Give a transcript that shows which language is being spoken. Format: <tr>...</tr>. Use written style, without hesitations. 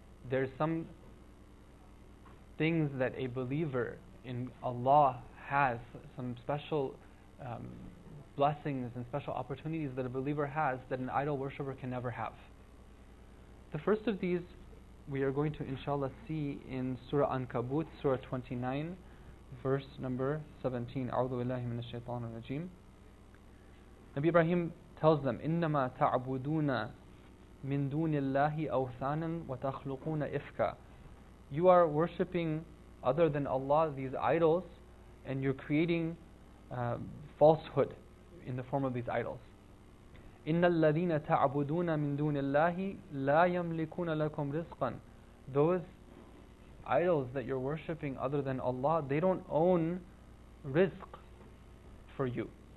<en>There's some things that a believer in Allah has, some special blessings and special opportunities that a believer has that an idol worshipper can never have. The first of these we are going to inshallah see in Surah Ankabut, Surah 29, verse number 17.</en> <ar>A'udhu billahi minash shaitanir rajim.</ar> <en>Nabi Ibrahim tells them,</en> <ar>إِنَّمَا تَعْبُدُونَ مِن دُونِ اللَّهِ أَوْثَانًا وَتَخْلُقُونَ إِفْكًا.</ar> <en>You are worshipping other than Allah these idols, and you're creating falsehood in the form of these idols.</en> <ar>إِنَّ الَّذِينَ تَعْبُدُونَ مِن دُونِ اللَّهِ لَا يَمْلِكُونَ لَكُمْ رِزْقًا.</ar> <en>Those idols that you're worshipping other than Allah, they don't own rizq for you.</en>